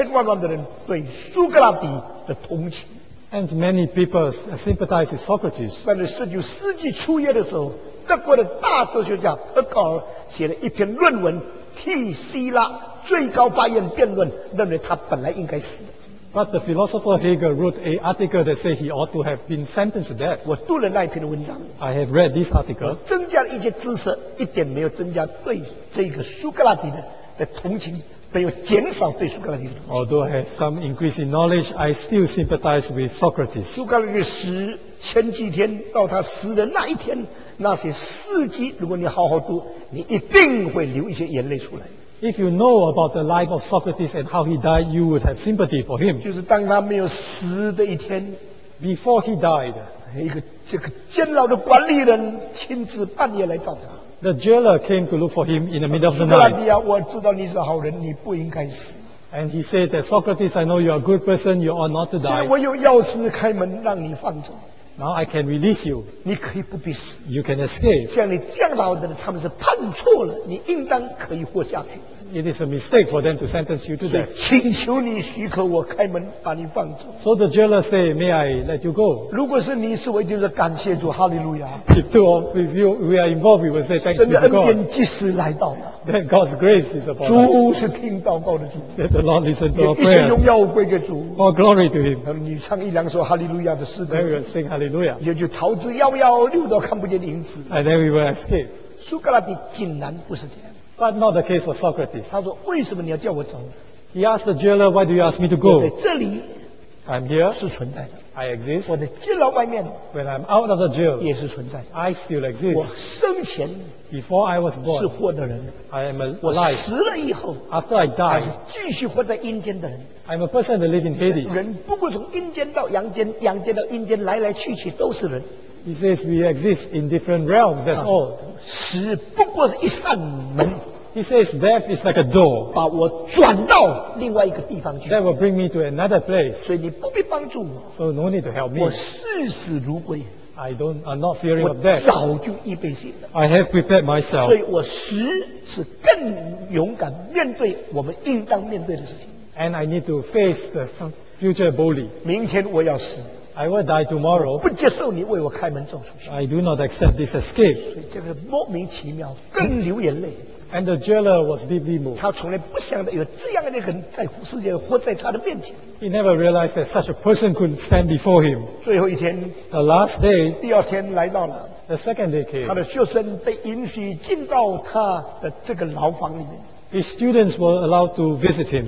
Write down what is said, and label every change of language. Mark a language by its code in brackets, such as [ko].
[zh] 这件事情引起历史历代千千万万的人对苏格拉底的同情。 [en] And many people sympathize with Socrates. [zh] 在19世纪初叶的时候， 德国的大哲学家赫格尔写了一篇论文替希腊最高法院辩论，认为他本来应该死。 [en] But the philosopher Hegel wrote an article that said he ought to have been sentenced to death. [zh] 我读了那篇文章。 [en] I have read this article. [zh] 增加了一些知识，一点没有增加对这个苏格拉底的同情。但又减少对苏格拉底的同情。 [en] Although I have some increase in knowledge, I still sympathize with Socrates. [zh] 苏格拉底死前几天到他死的那一天，那些事迹，如果你好好读，你一定会流一些眼泪出来。 [en] If you know about the life of Socrates and how he died, you would have sympathy for him. [zh] 就是当他没有死的一天 [en] ，before he died， [zh] 一个这个监牢的管理人亲自半夜来找他。 [en] The jailer came to look for him in the middle of the night. [zh] 苏格拉底啊，我知道你是好人，你不应该死。 [en] And he said that Socrates, I know you are a good person, you ought not to die. [zh] 我有钥匙开门让你放走。 [en] Now I can release you. [zh] 你可以不必死。 [en] You can escape. [zh] 像你这样老的人，他们是判错了，你应当可以活下去。 [en] It is a mistake for them to sentence you to death. [zh] 请求你许可我开门把你放走。 [en] So the jailer said, "May I let you go?" [zh] 如果是你是我，就是感谢主，哈利路亚。 [en] If two of you we are involved, we will say thank you to God. [zh] 神的恩典及时来到了。 [en] That God's grace is upon us. [zh] 主是听祷告的主。 [en] That the Lord listens to our prayers. [zh] 一切荣耀归给主。 [en] All glory to Him. [zh] 你唱一两首哈利路亚的诗歌。 [en] Then we will sing Hallelujah. [zh] 也就逃之夭夭，六道看不见影子。 [en] And then we will escape. [zh] 苏格拉底竟然不是这样。 [en] But not the case for Socrates. [zh] 他说：“为什么你要叫我走 [en] ？”He asked the jailer, "Why do you ask me to go?" [zh] 我在这里 [en] ，I'm here， [zh] 是存在的。 [en] I exist. [zh] 我的监牢外面 [en] ，When I'm out of the jail， [zh] 也是存在的。 [en] I still exist. [zh] 我生前 [en] ，Before I was born， [zh] 是活的人。 [en] I am alive. [zh] 我死了以后 [en] ，After I die， [zh] 继续活在阴间的人。 [en] I'm a person that lives in Hades. [zh] 人不过从阴间到阳间，阳间到阴间，来来去去都是人。 [en] He says we exist in different realms. That's all. [zh] 死不过是一扇门。 [en] He says death is like a door. [zh] 把我转到另外一个地方去。 [en] That will bring me to another place. [zh] 所以你不必帮助我。 [en] So no need to help me. [zh] 我视死如归。 [en] I'm not fearing of death. [zh] 我早就预备心了。 [en] I have prepared myself. [zh] 所以我死是更勇敢面对我们应当面对的事情。 [en] And I need to face the future boldly. [zh] 明天我要死。 [en] I will die tomorrow. [zh] 不接受你为我开门走出去。 [en] I do not accept this escape. [zh] 所以这个莫名其妙，更流眼泪。 [en] And the jailer was deeply moved. [zh] 他从来不想到有这样的人在世界活在他的面前。 [en] He never realized that such a person could stand before him. [zh] 最后一天 [en] ，the last day， [zh] 第二天来到了 [en] ，the second day came. [zh] 他的学生被允许进到他的这个牢房里面。 [en] His students were allowed to visit him.